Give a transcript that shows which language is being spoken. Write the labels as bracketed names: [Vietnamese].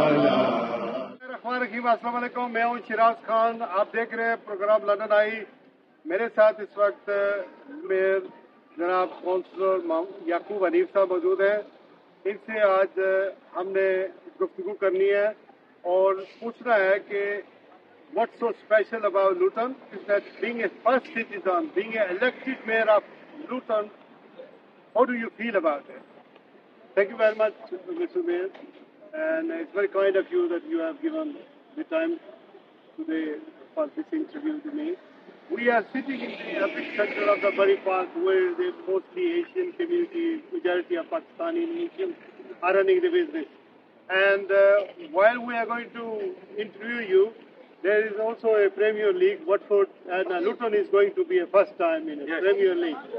[Urdu] السلام علیکم, میں ہوں شیراز خان, آپ دیکھ رہے ہیں پروگرام لندن آئی. میرے ساتھ اس وقت میئر جناب کونسلر یعقوب حنیف صاحب موجود ہیں, ان سے آج ہم نے گفتگو کرنی ہے اور پوچھنا ہے کہ [English] What so special about Luton is that being a first citizen, being a elected mayor of Luton, how do you feel about it? Thank you very much mister mayor, and it's very kind of you that you have given the time today for this interview to me. We are sitting in the epic center of the Bari Park, where the mostly Asian community, majority of Pakistani and Muslims, are running the business. And while we are going to interview you, there is also a Premier League, Watford and Luton is going to be a first time in a yes. Premier League.